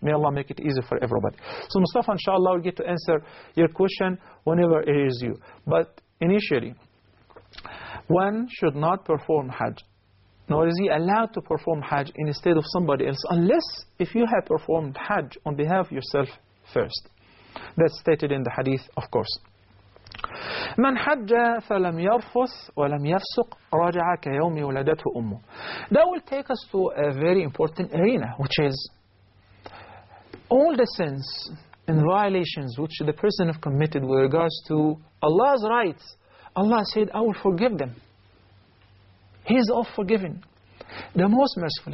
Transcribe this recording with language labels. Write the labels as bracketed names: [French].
[English] May Allah make it easy for everybody. So Mustafa, inshallah, will get to answer your question whenever it is you. But initially, one should not perform Hajj, nor is he allowed to perform Hajj instead of somebody else, unless if you have performed Hajj on behalf of yourself first. That's stated in the Hadith, of course. [Arabic] من حج فلم يرفث ولم يفسق راجع كيوم ولدته أمه. [English] That will take us to a very important arena, which is all the sins and violations which the person have committed with regards to Allah's rights. Allah said, I will forgive them. He is all forgiven, the most merciful.